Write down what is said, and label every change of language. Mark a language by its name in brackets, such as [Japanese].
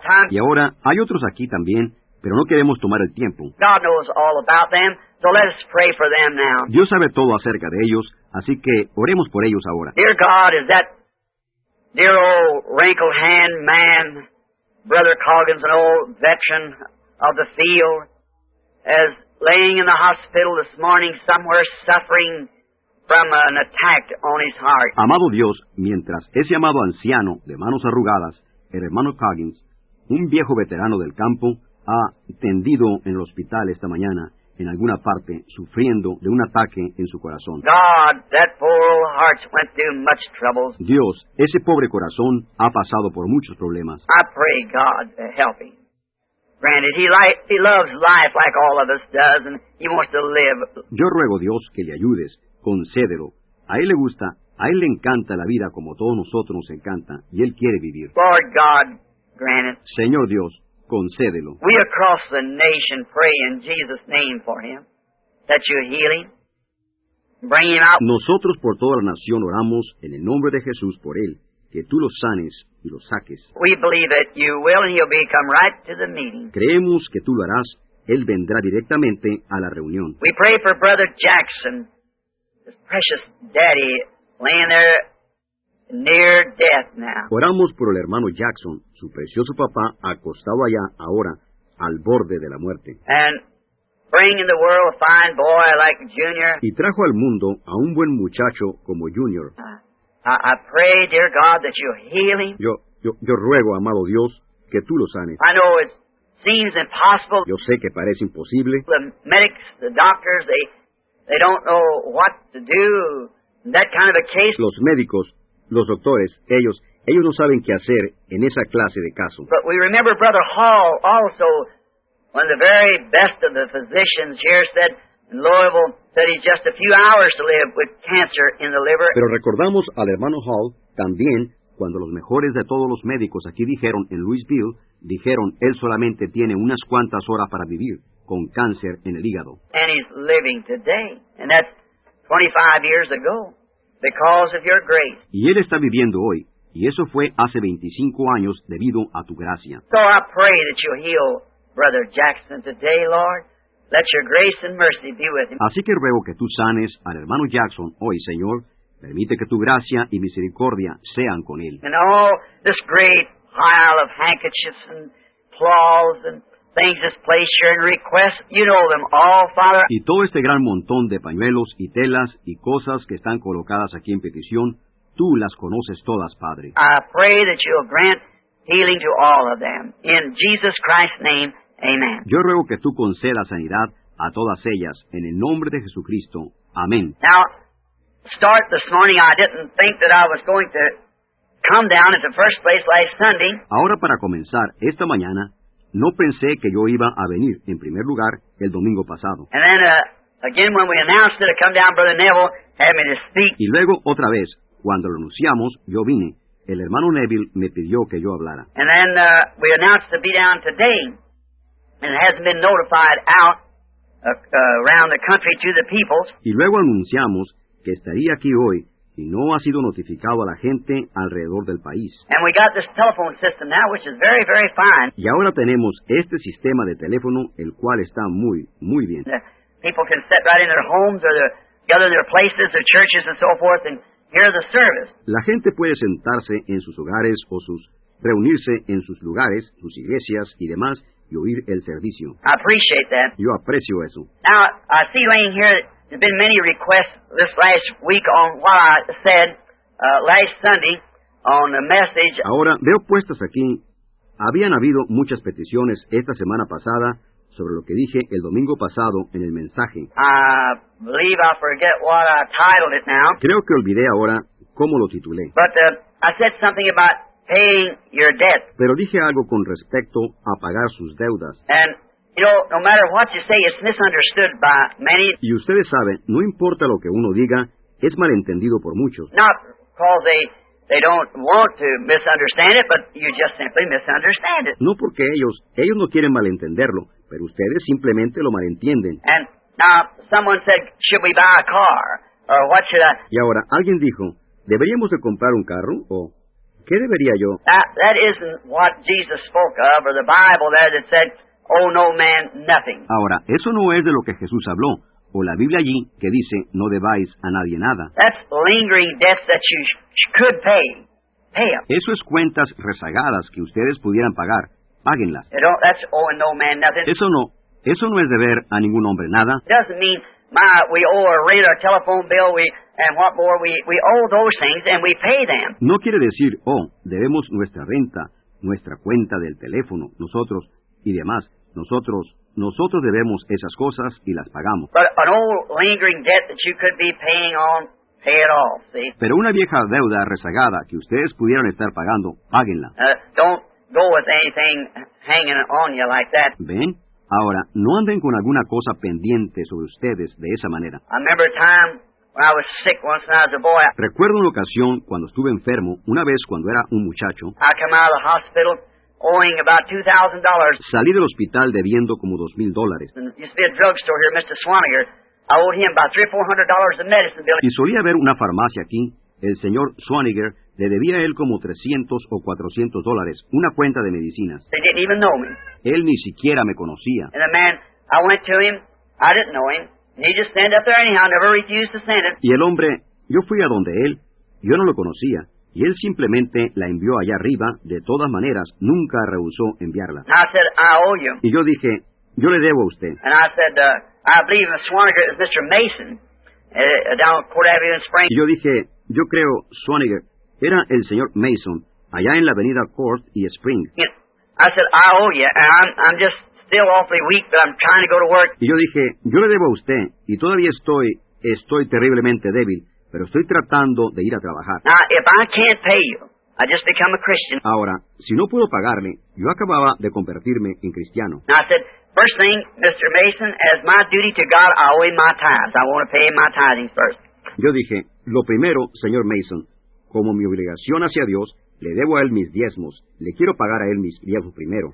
[Spanish] Y ahora hay otros aquí también, pero no queremos tomar el tiempo. [English] God knows all about them, so let us pray for them now. [Spanish] Dios sabe todo acerca de ellos, así que oremos por ellos ahora. [English] Dear God, is that dear old wrinkled hand man, Brother Coggins, an old veteran of the field, as laying in the hospital this morning somewhere suffering from an attack on his heart. [Spanish] Amado Dios, mientras ese amado anciano de manos arrugadas, el hermano Coggins, un viejo veterano del campo, ha tendido en el hospital esta mañana, en alguna parte, sufriendo de un ataque en su corazón. [English] God, that poor old heart went through much troubles. [Spanish] Dios, ese pobre corazón ha pasado por muchos problemas. [English] I pray God to help him. Granted, he loves life like all of us does, and he wants to live. [Spanish] Yo ruego a Dios que le ayudes, concédelo. A él le gusta, a él le encanta la vida como a todos nosotros nos encanta, y él quiere vivir. [English] Lord God, grant it. [Spanish] Señor Dios, concédelo. [English] We across the nation pray in Jesus' name for him, that you heal him, bring him out. [Spanish] Nosotros por toda la nación oramos en el nombre de Jesús por él, que tú lo sanes y lo saques. [English] We believe that you will, and he'll be come right to the meeting. [Spanish] Creemos que tú lo harás, él vendrá directamente a la reunión. [English] We pray for Brother Jackson, his precious daddy, laying there near death now. [Spanish] Oramos por el hermano Jackson, su precioso papá, acostado allá ahora, al borde de la muerte. [English] And bring in the world a fine boy like Junior. [Spanish] Y trajo al mundo a un buen muchacho como Junior. [English] I pray, dear God, that you heal him. [Spanish] Yo ruego, amado Dios, que tú lo sanes. [English] I know it seems impossible. [Spanish] Yo sé que parece imposible. [English] The medics, the doctors, they don't know what to do in that kind of a case. [Spanish] Los médicos, los doctores, ellos no saben qué hacer en esa clase de caso. [English] But we remember Brother Hall also, one of the very best of the physicians here, said in Louisville, that he's just a few hours to live with cancer in the liver. [Spanish] Pero recordamos al hermano Hall también, cuando los mejores de todos los médicos aquí dijeron en Louisville, dijeron, él solamente tiene unas cuantas horas para vivir con cáncer en el hígado. [English] And he's living today, and that's 25 years ago. Because of your grace. [Spanish] Y él está viviendo hoy, y eso fue hace 25 años debido a tu gracia. [English] So I pray that you heal Brother Jackson today, Lord. Let your grace and mercy be with him. [Spanish] Así que ruego que tú sanes al hermano Jackson hoy, Señor. Permite que tu gracia y misericordia sean con él. [English] And all this great pile of handkerchiefs and cloths and things that's placed here in request, you know them all, Father. [Spanish] Y todo este gran montón de pañuelos y telas y cosas que están colocadas aquí en petición, tú las conoces todas, Padre. [English] I pray that you'll grant healing to all of them. In Jesus Christ's name, amen. [Spanish] Yo ruego que tú concedas sanidad a todas ellas, en el nombre de Jesucristo. Amén. [English] Now, start this morning, I didn't think that I was going to come down at the first place last Sunday. [Spanish] Ahora, para comenzar, esta mañana, no pensé que yo iba a venir, en primer lugar, el domingo pasado. [English] And then, again, when we announced it, I come down, Brother Neville had me to speak. [Spanish] Y luego, otra vez, cuando lo anunciamos, yo vine. El hermano Neville me pidió que yo hablara. [English] And then, we announced to be down today, and it hasn't been notified out around the country to the peoples. [Spanish] Y luego anunciamos que estaría aquí hoy, y no ha sido notificado a la gente alrededor del país. [English] And we got this telephone system now, which is very, very fine. [Spanish] Y ahora tenemos este sistema de teléfono, el cual está muy, muy bien. [English] People can sit right in their homes, or gather their places, their churches, and so forth, and hear the service. [Spanish] La gente puede sentarse en sus hogares, o sus reunirse en sus lugares, sus iglesias, y demás, y oír el servicio. [English] I appreciate that. [Spanish] Yo aprecio eso. [English] Now, I see laying here that there have been many requests this last week on what I said last Sunday on the message. [Spanish] Ahora, veo puestas aquí, habían habido muchas peticiones esta semana pasada sobre lo que dije el domingo pasado en el mensaje. [English] I believe I forget what I titled it now. [Spanish] Creo que olvidé ahora cómo lo titulé. [English] But I said something about paying your debt. [Spanish] Pero dije algo con respecto a pagar sus deudas. [English] And you know, no matter what you say, it's misunderstood by many. [Spanish] Y ustedes saben, no importa lo que uno diga, es malentendido por muchos. [English] Not because they don't want to misunderstand it, but you just simply misunderstand it. [Spanish] No porque ellos no quieren malentenderlo, pero ustedes simplemente lo malentienden. [English] And now someone said, should we buy a car? Or what should I? [Spanish] Y ahora alguien dijo, ¿deberíamos de comprar un carro o qué debería yo? [English] That isn't what Jesus spoke of, or the Bible there that said, oh, no man, nothing. [Spanish] Ahora, eso no es de lo que Jesús habló, o la Biblia allí que dice, no debáis a nadie nada. [English] That's lingering debts that you could pay. Pay them. [Spanish] Eso es cuentas rezagadas que ustedes pudieran pagar. Páguenlas. [English] That's owing no man nothing. [Spanish] Eso no es deber a ningún hombre nada. [English] It doesn't mean we owe a rent, our telephone bill, we owe those things, and we pay them. [Spanish] No quiere decir, debemos nuestra renta, nuestra cuenta del teléfono, nosotros, y demás, nosotros debemos esas cosas y las pagamos. [English] But an old lingering debt that you could be paying on, pay it off, see? [Spanish] Pero una vieja deuda rezagada que ustedes pudieran estar pagando, páguenla. [English] Don't go with anything hanging on you like that. [Spanish] ¿Ven? Ahora, no anden con alguna cosa pendiente sobre ustedes de esa manera. [English] I remember a time when I was sick once when I was a boy. [Spanish] Recuerdo una ocasión cuando estuve enfermo, una vez cuando era un muchacho. [English] I came out of the hospital owing about $2,000. [Spanish] Salí del hospital debiendo como $2,000. [English] There used to be a drugstore here, Mr. Swaniger. I owed him about $300-$400 of medicine bill. [Spanish] Y solía haber una farmacia aquí. El señor Swaniger le debía a él como $300 o $400, una cuenta de medicinas. [English] They didn't even know me. [Spanish] Él ni siquiera me conocía. [English] And the man, I went to him, I didn't know him. And he just stand up there anyhow, never refused to send it. [Spanish] Y el hombre, yo fui a donde él, yo no lo conocía. Y él simplemente la envió allá arriba, de todas maneras, nunca rehusó enviarla. [English] I said, I owe you. [Spanish] Y yo dije, yo le debo a usted. [English] And I said, I believe Swaniger is Mr. Mason, down on Court Avenue in Spring. [Spanish] Y yo dije, yo creo Swaniger era el señor Mason, allá en la avenida Court y Spring. [English] I said, I owe you, and I'm just still awfully weak, but I'm trying to go to work. [Spanish] Y yo dije, yo le debo a usted, y todavía estoy terriblemente débil. Pero estoy tratando de ir a trabajar. [English] Now, if I can't pay you, I just become a Christian. [Spanish] Ahora, si no puedo pagarle, yo acababa de convertirme en cristiano. [English] Now, I said, first thing, Mr. Mason, as my duty to God, I owe him my tithes. I want to pay him my tithes first. [Spanish] Yo dije, lo primero, señor Mason, como mi obligación hacia Dios, le debo a él mis diezmos. Le quiero pagar a él mis diezmos primero.